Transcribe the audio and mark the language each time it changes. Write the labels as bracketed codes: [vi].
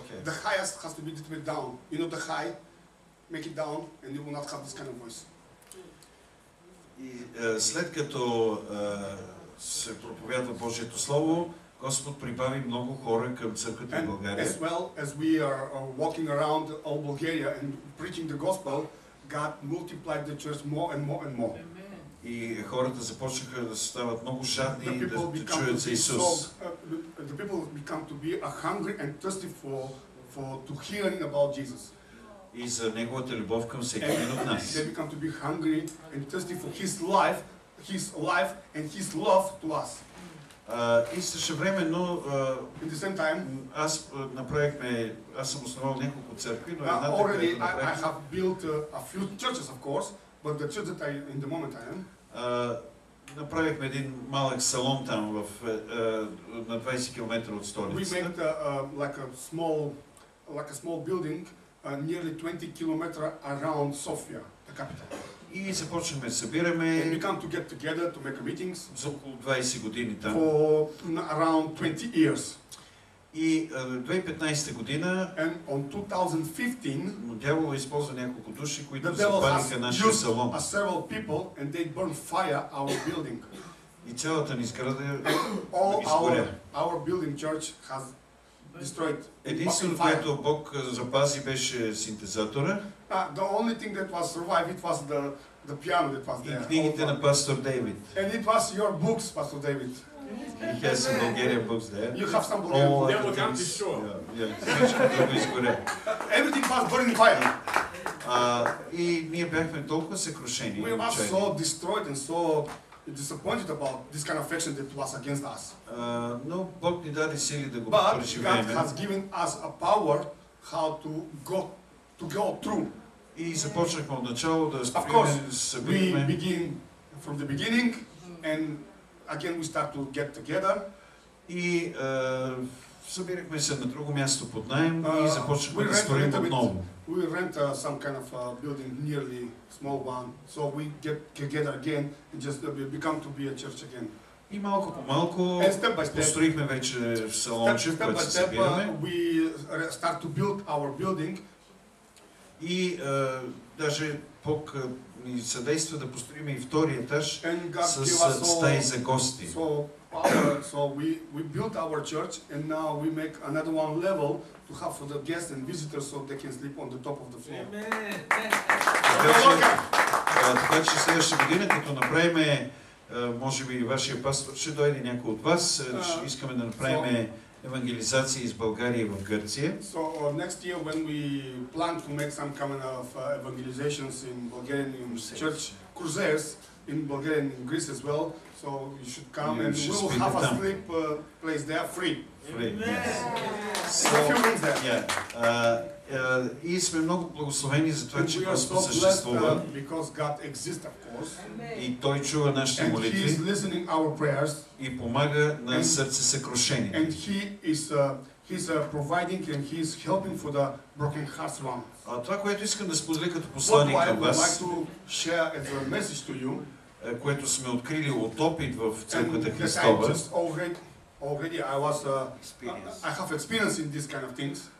[en] The highest has to be a little bit down. You know, the high, make it down, and you will not have this kind of voice. [bg] След като се проповядва Божието Слово, Господ прибави много хора към църквата в България. [en] As well as we are walking around all Bulgaria and preaching the gospel, God multiplied the church more and more and more. [bg] И хората започнаха да се стават много жадни и да чуят за Исус. [en] The people become to be a hungry and thirsty for to hearing about Jesus. [bg] И за неговата любов към всеки един от нас. [en] They become to be hungry and thirsty for his life and his love to us. [bg] И същевременно [en] in the same time, [bg] аз съм основал няколко църкви, но [en] already I have built a few churches, of course, but the church that I in the moment I am. [bg] Направихме един малък салон там в на 20 км от столицата. [en] We made like a small building nearly 20 km around Sofia, the capital. [bg] И започваме да събираме. [en] And we come to get together to make meetings. [bg] За около 20 години там. [en] For around 20 years. [bg] И 2015 година. [en] And on 2015. [bg] Дявол използва няколко души, които запалиха нашия салон. [en] A several people and they burn fire our building. [bg] И цялата ни сграда. [en] All our building church has destroyed. [bg] Единственото, което Бог запази, беше синтезатора. [en] The only thing that was survived it was the piano that was there. [bg] И книгите на пастор Дейвид. [en] And it was your books, Pastor David. He has some Bulgarian books there. You have some Bulgarian books. Yeah, we'll come to show. Yeah, yeah. Which is good. Everything was burning fire. [bg] И ние бяхме толкова съкрушени. [en] We were so destroyed and so disappointed about this kind of action that was against us. [bg] Но Бог ни даде сили да го преживеем. [en] But God has given us a power how to go through. [bg] И започнахме от начало да събираме. [en] We begin from the beginning and again we start to get together. [bg] И събирахме се на друго място под найем и започнахме да строим отново. [en] We rent some kind of a building, nearly small one, so we get together again and just become to be a church again. [bg] И малко по малко построихме вече салонче, в което се събираме. [en] We start to build our building. [bg] И даже Бог ни съдейства да построим и втори етаж с стаи за гости. [en] So we built our church and now we make another one level to have for the guests and visitors so they can sleep on the top of the floor. [bg] Така че следващата година, като направим, може би вашия пастор ще дойде някой от вас, ще искаме да направим евангелизация из България в Гърция. [en] So next year when we plan to make some kind of evangelizations in Bulgarian church crusades in Bulgaria and in Greece as well, so you should come and we will have a sleep place there free. Free. Yes. So, [bg] и сме много благословени за това, че Господ съществува. [en] Because God exists, of course. [bg] И Той чува нашите молитви. [en] And He is listening our prayers. [bg] И помага на сърце съкрушени. [en] And He is He's providing and He is helping for the broken hearts one. [bg] А това, което искам да споделя като послание към вас, [en] like to share as a message to you, [bg] което сме открили от опит в църквата Христова. [en] And already I was I have experience in this kind of things.